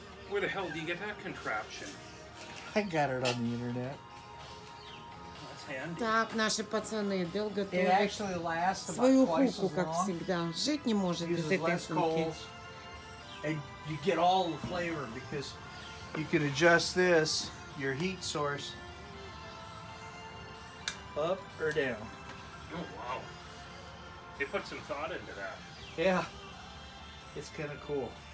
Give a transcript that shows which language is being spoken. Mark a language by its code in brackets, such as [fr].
[en] Where the hell did you get that contraption? I got it on the internet. That's handy. [ru] Так, наши пацаны долго тут. [en] It actually lasts about twice as long. [ru] Свою куку, как всегда. Жить не может без этой штуки. [en] And you get all the flavor because you can adjust this, your heat source. Up or down? Oh, wow. They put some thought into that. Yeah. It's kind of cool.